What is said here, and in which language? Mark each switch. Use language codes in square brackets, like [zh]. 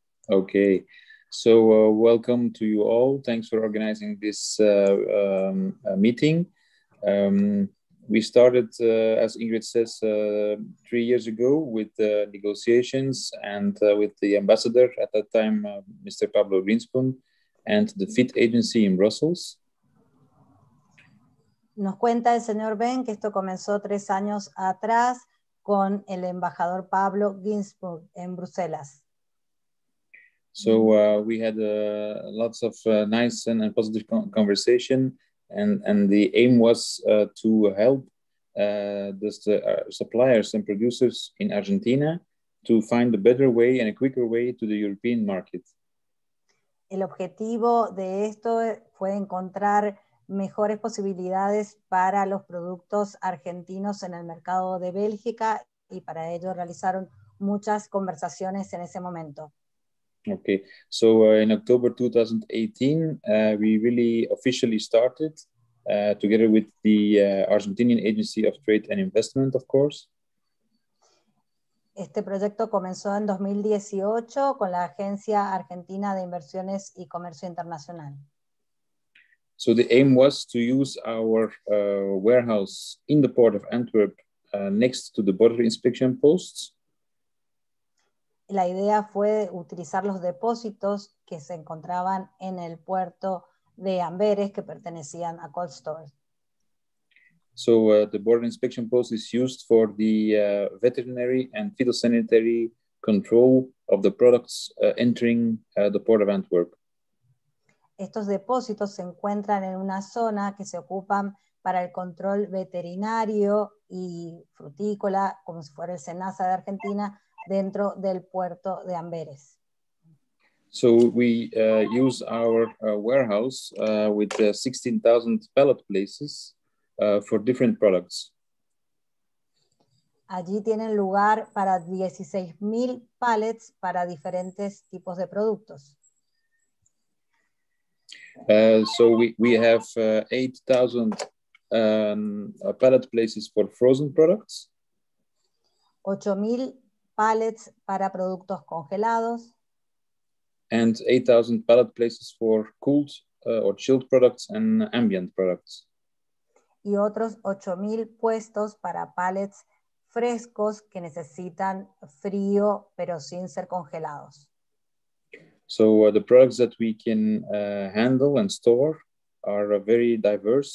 [en] Okay. So welcome to you all. Thanks for organizing this meeting. We started, as Ingrid says, 3 years ago with the negotiations and with the ambassador at that time, Mr. Pablo Greenspoon, and the FIT agency in Brussels. [es] Nos cuenta el señor Ben que esto comenzó 3 años atrás con el embajador Pablo Greenspoon en Bruselas. [en] So we had lots of nice and positive conversation, and the aim was to help the suppliers and producers in Argentina to find a better way and a quicker way to the European market. [es] El objetivo de esto fue encontrar mejores posibilidades para los productos argentinos en el mercado de Bélgica, y para ello realizaron muchas conversaciones en ese momento. [en] Okay, so in October 2018, we really officially started together with the Argentinian Agency of Trade and Investment, of course. [es] Este proyecto comenzó en 2018 con la Agencia Argentina de Inversiones y Comercio Internacional. [en] So the aim was to use our warehouse in the port of Antwerp next to the border inspection posts. [es] La idea fue utilizar los depósitos que se encontraban en el puerto de Amberes, que pertenecían a Cold Store. [en] So the border inspection post is used for the veterinary and phytosanitary control of the products entering the port of Antwerp. [es] Estos depósitos se encuentran en una zona que se ocupan para el control veterinario y frutícola, como si fuera el SENASA de Argentina, dentro del puerto de Amberes. [en] So we use our warehouse with 16,000 pallet places for different products. [es] Allí tienen lugar para 16,000 pallets para diferentes tipos de productos. [en] So we have 8,000 pallet places for frozen products. [es] 8,000 pallets para productos congelados. [en] And 8,000 pallet places for cooled or chilled products and ambient products. [es] Y otros 8,000 puestos para pallets frescos que necesitan frío pero sin ser congelados. [en] So the products that we can handle and store are very diverse.